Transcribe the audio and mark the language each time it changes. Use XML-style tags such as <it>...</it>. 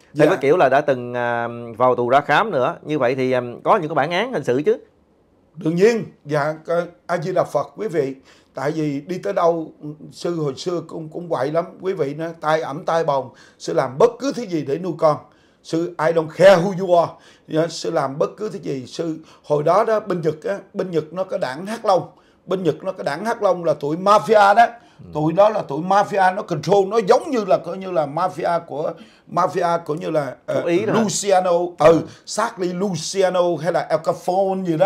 <vi>Thế có kiểu là đã từng vào tù ra khám nữa. Như vậy thì có những cái bản án hình sự chứ? Đương nhiên. Dạ, A Di Đà Phật quý vị. Tại vì đi tới đâu, sư hồi xưa cũng quậy lắm. Quý vị nói, tay ẩm tay bồng, sư làm bất cứ thứ gì để nuôi con.</vi> <en>Sư, I don't care who you are.</en> <vi>Sư làm bất cứ thứ gì. Sư, hồi đó đó, bên Nhật nó có đảng Hắc Long. Bên Nhật nó có đảng Hắc Long là tụi mafia đó. Tụi đó là tụi mafia, nó control, nó giống như là coi như là mafia của như là Luciano, Sarkly Luciano hay là Al Capone gì đó.</vi>